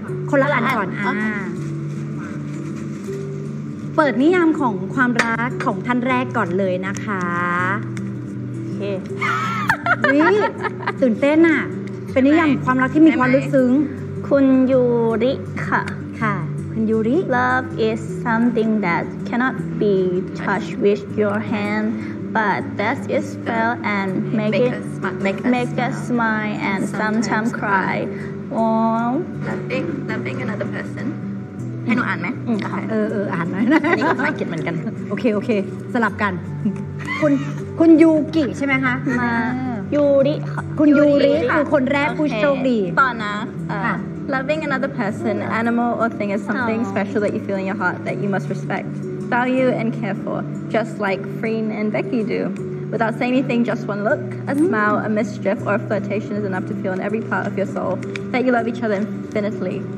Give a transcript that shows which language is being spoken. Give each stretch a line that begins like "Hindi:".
Thai: คนละอันก่อนเปิดนิยามของความรักของท่านแรกก่อนเลยนะคะ โอเค นี่ตื่นเต้นอ่ะเป็นนิยามความรักที่มีความลึกซึ้ง คุณยูริค่ะ ค่ะคุณยูริ
English: Love is something that cannot be touched with your hand but that is felt and make us smile and sometimes cry oh loving another person
Thai: ให้หนูอ่านไหม อ่านไหม นี่ก็ภาษาอังกฤษเหมือนกัน โอเคโอเคสลับกันคุณยูกิใช่ไหมคะ มายูริ คุณยูริคือคนแรกผู้โชคดี ตอนนะ
English: loving another person animal or thing is something special that you feel in your heart that you must respect value and care for just like Freen and Becky do without saying anything, just one look, a smile, a mischief, or a flirtation is enough to feel in every part of your soul that you love each other infinitely.